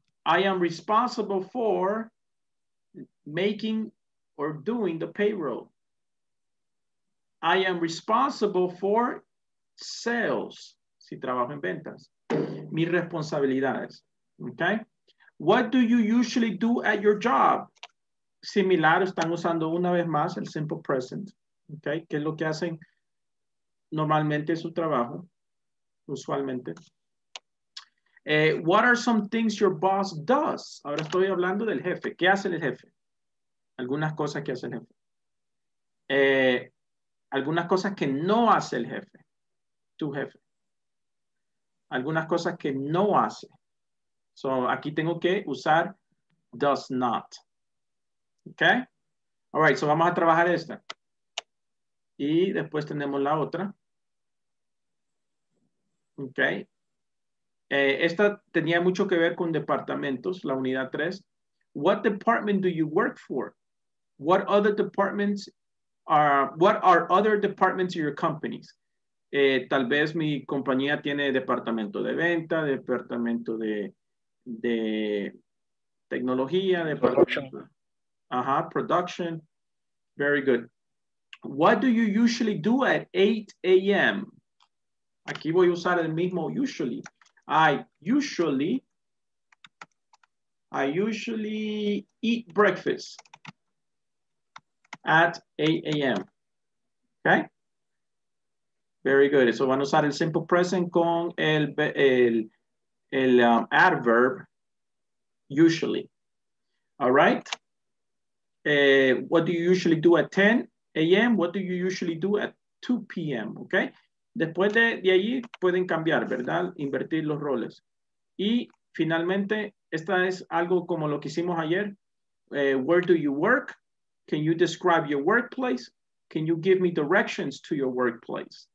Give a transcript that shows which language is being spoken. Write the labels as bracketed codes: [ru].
[en] I am responsible for making or doing the payroll. I am responsible for sales. [es] Si trabajo en ventas. Mis responsabilidades. Okay. [en] What do you usually do at your job? [es] Similar, están usando una vez más el simple present. Okay. ¿Qué es lo que hacen normalmente en su trabajo? Usualmente. [en] What are some things your boss does? [es] Ahora estoy hablando del jefe. ¿Qué hace el jefe? Algunas cosas que hace el jefe. Algunas cosas que no hace el jefe. Tu jefe. Algunas cosas que no hace. So, aquí tengo que usar does not. Okay? [en] All right, [es] so vamos a trabajar esta. Y después tenemos la otra. [en] Okay? [es] Esta tenía mucho que ver con departamentos, la unidad 3. [en] What department do you work for? What other departments are, what are other departments in your companies? [es] Tal vez mi compañía tiene departamento de venta, departamento de tecnología, [en] production. Ajá, production. Very good. What do you usually do at 8 a.m.? [es] Aquí voy a usar el mismo usually. [en] I usually eat breakfast at 8 a.m. Okay? Very good. [es] So van a usar el simple present con el adverb usually. [en] All right. What do you usually do at 10 a.m.? What do you usually do at 2 p.m.? [es] Okay. Después de allí pueden cambiar, ¿verdad? Invertir los roles. Y finalmente, esta es algo como lo que hicimos ayer. [en] Where do you work? Can you describe your workplace? Can you give me directions to your workplace?